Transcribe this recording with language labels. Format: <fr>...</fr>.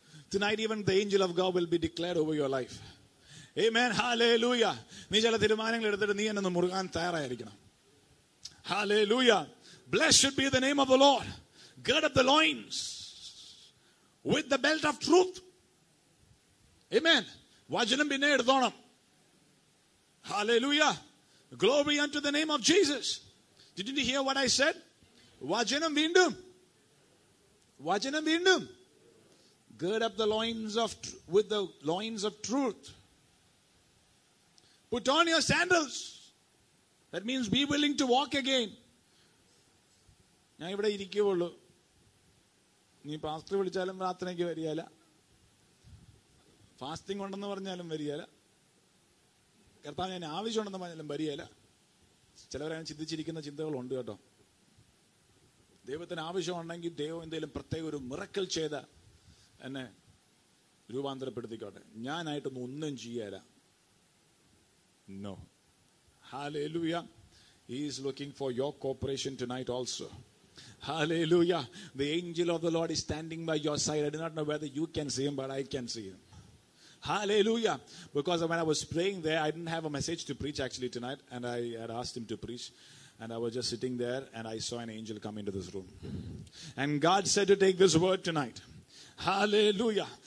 <en>Tonight even the angel of God will be declared over your life. Amen. Hallelujah.</en> <ml>നീ ചില തീരുമാനങ്ങൾ എടുത്തിട്ട് നീ എന്നെ മുറുകാൻ തയ്യാറായിരിക്കണം.</ml> <en>Hallelujah. Blessed should be the name of the Lord. Gird up the loins with the belt of truth.</en> <ml>Amen. Vajanam pinne eduthonam. Hallelujah.</ml> <en>Glory unto the name of Jesus. Didn't you hear what I said?</en> <ml>Vajanam veendum. Vajanam veendum.</ml> <en>Gird up the loins of with the loins of truth. Put on your sandals. That means be willing to walk again.</en> <ml>ഞാൻ ഇവിടെ ഇരിക്കുകയുള്ളൂ. നീ pastor വിളിച്ചാലും പ്രാർത്ഥനയ്ക്ക് വരികയില്ല. Fasting ഉണ്ടെന്ന് പറഞ്ഞാലും വരികയില്ല. കർത്താവ് ഞാൻ ആവശ്യമുണ്ടെന്ന് പറഞ്ഞാലും വരികയില്ല. ചിലവരങ്ങനെ ചിന്തിച്ചിരിക്കുന്ന ചിന്തകളുണ്ട് കേട്ടോ. ദൈവത്തിന് ആവശ്യമുണ്ടെങ്കിൽ ദൈവം എന്തെങ്കിലും പ്രത്യേക ഒരു മിറക്കൽ ചെയ്ത എന്നെ രൂപാന്തരപ്പെടുത്തിക്കോട്ടെ, ഞാനായിട്ടൊന്നും ഒന്നും ചെയ്യാല.</ml> <en>No. Hallelujah. He is looking for your cooperation tonight also. Hallelujah. The angel of the Lord is standing by your side. I do not know whether you can see him, but I can see him. Hallelujah. Because when I was praying there, I didn't have a message to preach actually tonight, and I had asked him to preach, and I was just sitting there and I saw an angel come into this room, and God said to take this word tonight. Hallelujah.</en>